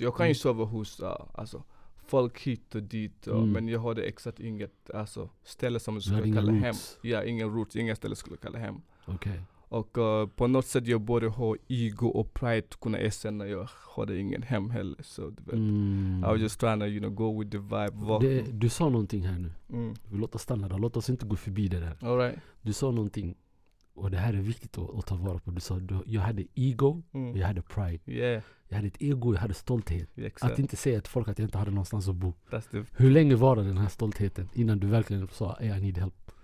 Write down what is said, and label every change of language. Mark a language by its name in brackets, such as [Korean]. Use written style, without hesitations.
[Swedish] Jag kan ju sova hos alltså, folk hit och dit, men jag hade exakt inget alltså, ställe som jag skulle kalla hem. Ja, ingen roots, inga ställe skulle kalla hem. Okej. [English] Okay. [Swedish] Och på något sätt jag borde ha ego och [English] pride [Swedish] kunna erkänna jag hade ingen hem heller, så du vet. Mm. [English] I was just trying to, you know, go with the vibe. [Swedish] Du sa någonting här nu. Mm. Vi låter stanna där. Låt oss inte gå förbi det där. [English] All right. [Swedish] Du sa någonting, och det här är viktigt att ta vara på. Du sa, jag hade ego, jag hade pride. [English] Yeah. [Swedish] Jag hade ett ego, jag hade stolthet. Exakt. Att inte säga till folk att jag inte hade någonstans att bo. [English] That's the... [Swedish] Hur länge var den här stoltheten innan du verkligen sa, [English] hey, I need help?